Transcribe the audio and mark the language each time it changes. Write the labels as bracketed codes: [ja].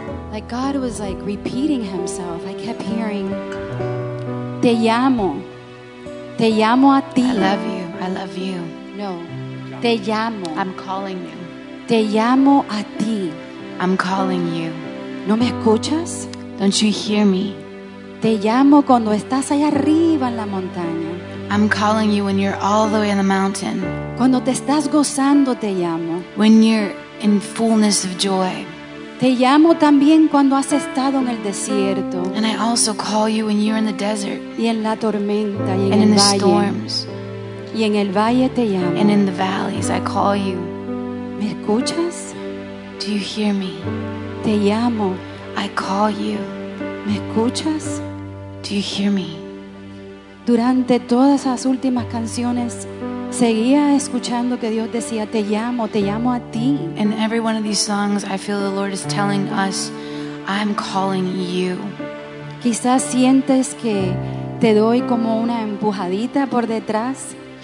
[en] Like God was like repeating himself. I kept hearing, [es] te llamo a ti. [en] I love you, [es] no, te llamo. [en] I'm calling you. [es] Te llamo a ti. [en] I'm calling you. [es] ¿No me escuchas? [en] Don't you hear me? [es] Te llamo cuando estás allá arriba en la montaña. [en] I'm calling you when you're all the way on the mountain. [es] Cuando te estás gozando, te llamo. [en] When you're in fullness of joy. [es] Te llamo también cuando has estado en el desierto. [en] And I also call you when you're in the desert. [es] Y en la tormenta y en [en] and [es] el [en] in the [es] valle. [en] Storms. [es] Y en el valle te llamo. [en] And in the valleys, I call you. [es] ¿Me escuchas? [en] Do you hear me? [es] Te llamo. [en] I call you. [es] ¿Me escuchas? [en] Do you hear me? [es] Durante todas esas últimas canciones seguía escuchando que Dios decía te llamo a ti. [en] In every one of these songs I feel the Lord is telling us I'm calling you. [es] Quizás sientes que te doy como una empujadita por detrás.